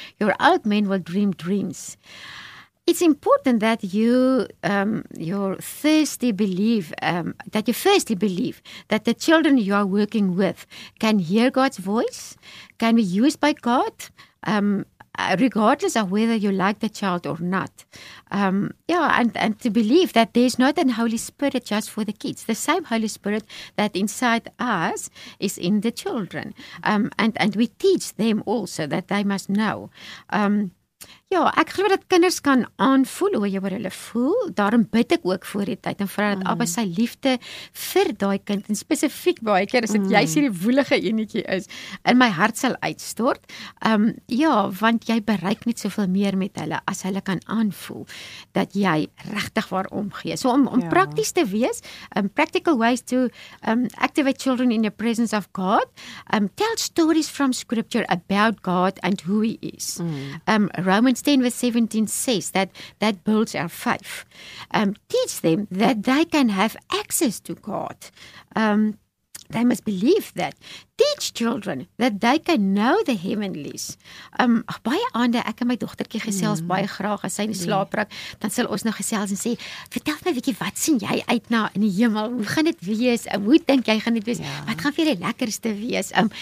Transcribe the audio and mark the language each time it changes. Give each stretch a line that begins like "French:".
English: Your old men will dream dreams. It's important that you, firstly believe that the children you are working with can hear God's voice, can be used by God, regardless of whether you like the child or not. And to believe that there's not an Holy Spirit just for the kids. The same Holy Spirit that inside us is in the children. And we teach them also that they must know.
Afrikaans: Ek glo dat kinders kan aanvoel hoe jy oor hulle voel. Daarom bid ek ook voor die tyd en vra dat Abba sy liefde vir daai kind en spesifiek baie keer as dit juist hierdie woelige enetjie is, in my hart sal uitstort. Want jy bereik net soveel meer met hulle as hulle kan aanvoel dat jy regtig waar omgee. So om prakties te wees,
English: practical ways to activate children in the presence of God, tell stories from scripture about God and who He is. Romans 10:17 says that builds our faith. Teach them that they can have access to God. They must believe that. Teach children that they can know the heavenlies.
Afrikaans: Baie aande, ek en my dogtertjie gesels baie graag as sy in slaap raak, dan sal ons nou gesels en sê, vertel my bietjie, wat sien jy uit na in die hemel? Hoe gaan dit wees? Hoe dink jy gaan dit wees? Yeah. Wat gaan vir die lekkerste wees?